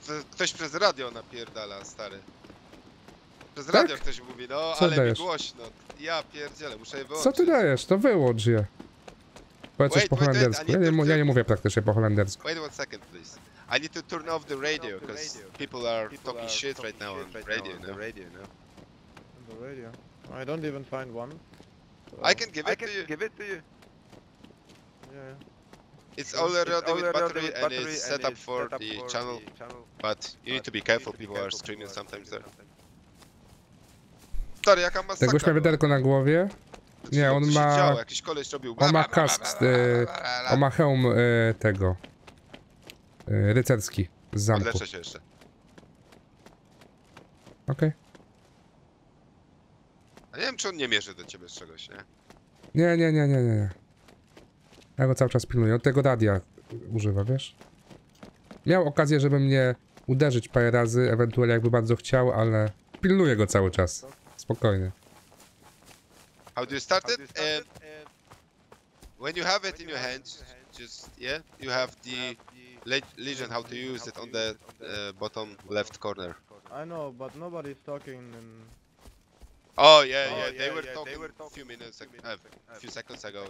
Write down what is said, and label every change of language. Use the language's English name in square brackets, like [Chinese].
[Polish] Ktoś przez radio napierdala, stary. Przez radio ktoś mówi, no co ale dajesz? Mi głośno. Ja pierdzielę, muszę je wyłączyć. Co ty dajesz? To wyłącz je. Powiedz coś po holendersku. Ja nie mówię praktycznie po holendersku. [English] Wait one second, please. I need to turn off the radio, because people are talking shit right now on the radio, no? On the radio? I don't even find one. So. I can give it to you. Yeah. It's already with battery and it's set up for the channel. But you need to be careful, people are screaming sometimes there. [Polish] Sorry, jaka masakra. Tegoś ma wiaderko na głowie. Nie, on ma... Jakiś koleś robił. On ma kask, on ma hełm tego. Rycerski z zamku. Odleczę się jeszcze. Okej. A nie wiem, czy on nie mierzy do ciebie z czegoś, nie? Nie. Ja go cały czas pilnuję. Od tego radia używa, wiesz? Miał okazję, żeby mnie uderzyć parę razy, ewentualnie jakby bardzo chciał, ale pilnuję go cały czas. Spokojnie. [English] How do you start it? When you have it in your hands, just, yeah? You have the legend how to use it on the bottom left corner. I know, but nobody's talking in... Oh yeah, they were talking a few seconds ago.